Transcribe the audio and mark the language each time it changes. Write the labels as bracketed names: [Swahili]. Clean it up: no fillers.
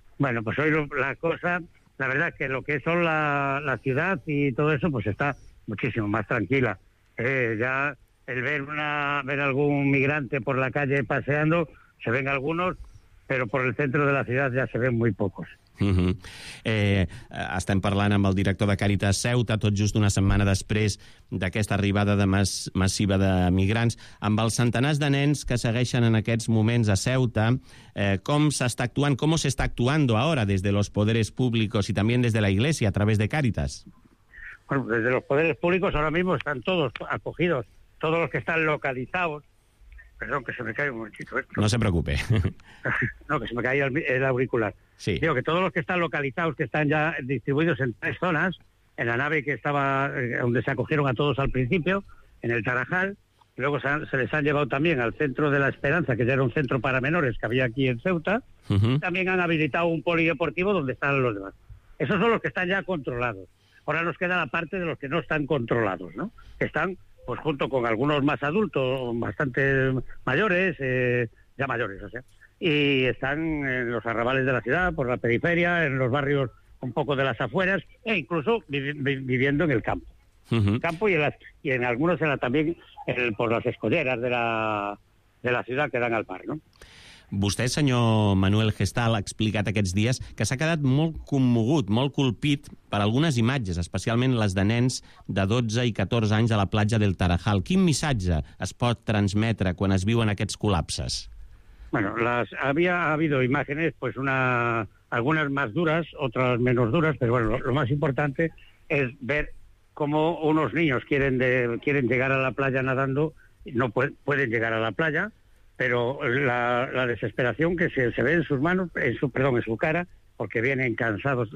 [Spanish] Bueno, pues hoy la cosa, la verdad es que lo que son la ciudad y todo eso, pues está muchísimo más tranquila. Ya el ver algún migrante por la calle paseando, se ven algunos, pero por el centro de la ciudad ya se ven muy pocos. Uh-huh. [Catalan] Estem parlant amb el director de Càritas Ceuta tot just una setmana després d'aquesta arribada de massiva de migrants. Amb els centenars de nens que segueixen en aquests moments a Ceuta, com s'està actuant, com s'està [Spanish] actuando ahora desde los poderes públicos y también desde la Iglesia a través de Càritas? Bueno, desde los poderes públicos ahora mismo están todos acogidos, todos los que están localizados. Perdón, que se me cae un momentito esto. No se preocupe. No, que se me caía el auricular. Sí. Digo que todos los que están localizados, que están ya distribuidos en tres zonas, en la nave que estaba, donde se acogieron a todos al principio, en el Tarajal, luego se les han llevado también al Centro de la Esperanza, que ya era un centro para menores que había aquí en Ceuta, uh-huh. También han habilitado un polideportivo donde están los demás. Esos son los que están ya controlados. Ahora nos queda la parte de los que no están controlados, ¿no? Que están, pues junto con algunos más adultos, bastante mayores, ya mayores, o sea, y están en los arrabales de la ciudad, por la periferia, en los barrios un poco de las afueras, e incluso viviendo en el campo. Uh-huh. En el campo y en algunos era también por las escolleras de la ciudad que dan al mar, ¿no? [Catalan] Vostè, senyor Manuel Gestal, ha explicat aquests dies que s'ha quedat molt commogut, molt colpit per algunes imatges, especialment les de nens de 12 i 14 anys a la platja del Tarajal. Quin missatge es pot transmetre quan es viuen aquests col·lapses? [Spanish] Bueno, ha habido imágenes, pues algunas más duras, otras menos duras, pero bueno, lo más importante es ver cómo unos niños quieren llegar a la playa nadando, no pueden llegar a la playa, pero la desesperación que se ve en sus manos, en su cara, porque vienen cansados.